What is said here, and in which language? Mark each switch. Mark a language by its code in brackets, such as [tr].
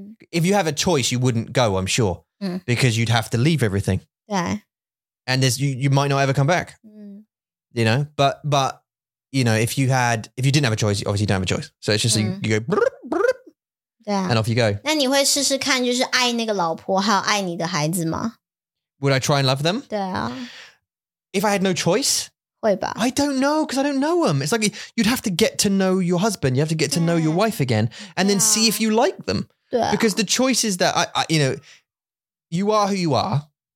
[en] If you have a choice, you wouldn't go, I'm sure, because you'd have to leave everything. Yeah. And there's, you might not ever come back, you know, but you know, if you didn't have a choice, you obviously don't have a choice. So it's just, you go, and off you go. [zh] 那你会试试看就是爱那个老婆还有爱你的孩子吗? [en] Would I try and love them? Yeah. If I had no choice? [zh] 会吧? [en] I don't know, because I don't know them. It's like you'd have to get to know your husband. You have to get to know your wife again and then see if you like them. Yeah. Because the choice is that, I, you know, you are who you are.